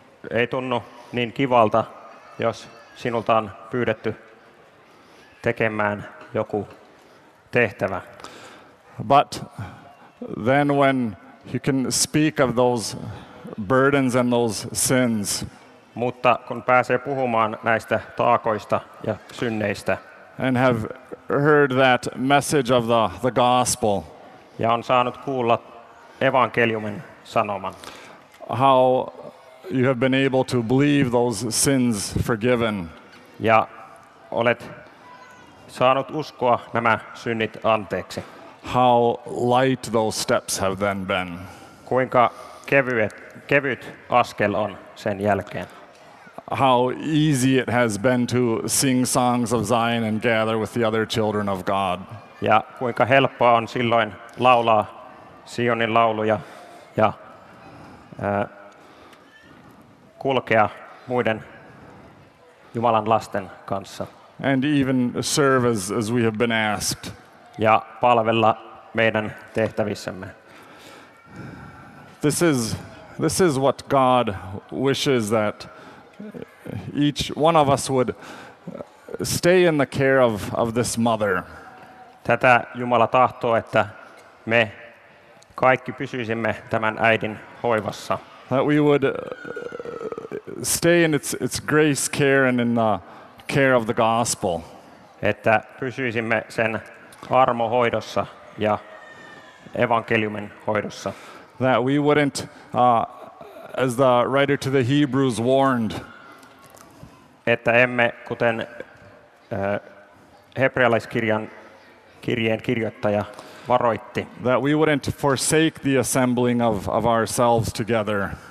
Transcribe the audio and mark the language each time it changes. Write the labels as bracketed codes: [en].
[fi] Ei tunnu niin kivalta, jos sinulta on pyydetty tekemään joku tehtävä. [en] But then when you can speak of those burdens and those sins. [fi] Mutta kun pääsee puhumaan näistä taakoista ja synneistä. [en] And have heard that message of the gospel. [fi] Ja on saanut kuulla evankeliumin sanoman. [en] How you have been able to believe those sins forgiven. [fi] Ja olet saanut uskoa nämä synnit anteeksi. [en] How light those steps have then been. [fi] Kuinka kevyt askel on sen jälkeen. [en] How easy it has been to sing songs of Zion and gather with the other children of God. [fi] Ja kuinka helppoa on silloin laulaa Sionin lauluja ja kulkea muiden Jumalan lasten kanssa. [en] And even serve as we have been asked. [fi] Ja palvella meidän tehtävissämme. [en] This is what God wishes that each one of us would stay in the care of this mother. [fi] Tätä Jumala tahtoo, että me kaikki pysyisimme tämän äidin hoivassa. [en] That we would stay in its grace, care, and in the care of the gospel. [fi] Että pysyisimme sen armohoidossa ja evankeliumin hoidossa. [en] That we wouldn't, as the writer to the Hebrews warned, [fi] että emme, kuten hebrealaiskirjeen kirjoittaja varoitti, [en] that we wouldn't forsake the assembling of ourselves together,